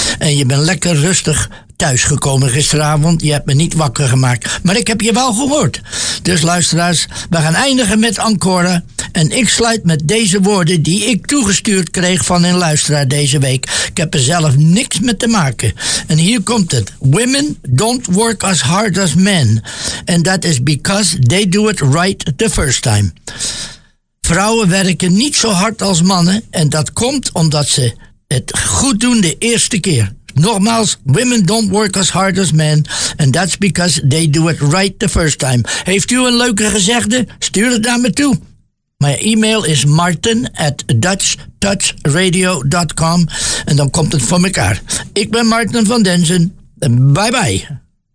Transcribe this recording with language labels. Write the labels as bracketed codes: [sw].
[nl] En je bent lekker rustig thuisgekomen gisteravond. Je hebt me niet wakker gemaakt. Maar ik heb je wel gehoord. Dus luisteraars, we gaan eindigen met Ancora. En ik sluit met deze woorden die ik toegestuurd kreeg van een luisteraar deze week. Ik heb er zelf niks mee te maken. En hier komt het. [en] Women don't work as hard as men. And that is because they do it right the first time. [nl] Vrouwen werken niet zo hard als mannen. En dat komt omdat ze het goed doen de eerste keer. [en] Nogmaals, women don't work as hard as men. And that's because they do it right the first time. [nl] Heeft u een leuke gezegde? Stuur het naar me toe. Mijn e-mail is martin@dutchtouchradio.com. En dan komt het voor elkaar. Ik ben Martin van Denzen. Bye bye.